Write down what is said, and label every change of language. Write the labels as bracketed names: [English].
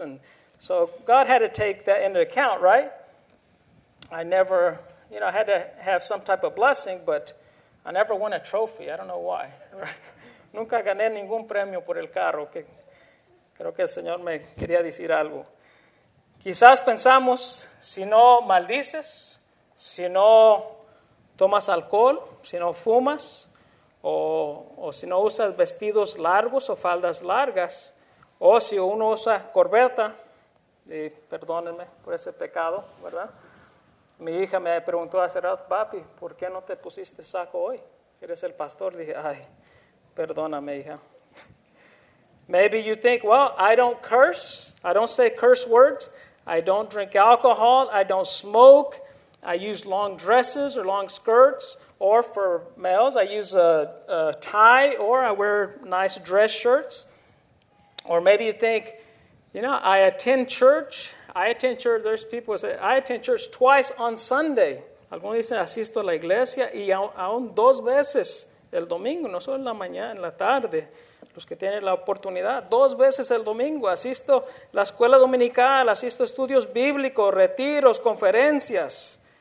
[English] And so God had to take that into account, right? I never, you know, I had to have some type of blessing, but I never won a trophy. I don't know why. [Spanish] Nunca gané ningún premio por el carro. Creo que el Señor me quería decir algo. Quizás pensamos, si no maldices, si no tomas alcohol, si no fumas, o si no usas vestidos largos o faldas largas, o si uno usa corbata, y perdónenme por ese pecado, ¿verdad? Mi hija me preguntó hace rato, papi, ¿por qué no te pusiste saco hoy? Eres el pastor. Dije, ay, perdóname, hija. [English] Maybe you think, well, I don't curse, I don't say curse words, I don't drink alcohol, I don't smoke, I use long dresses or long skirts, or for males, I use a tie, or I wear nice dress shirts. Or maybe you think, you know, I attend church, there's people who say, I attend church twice on Sunday. [Spanish] Algunos dicen, asisto a la iglesia, y aún dos veces el domingo, no solo en la mañana, en la tarde. Los que tienen la oportunidad, dos veces el domingo, asisto a la escuela dominical, asisto a estudios bíblicos, retiros, conferencias.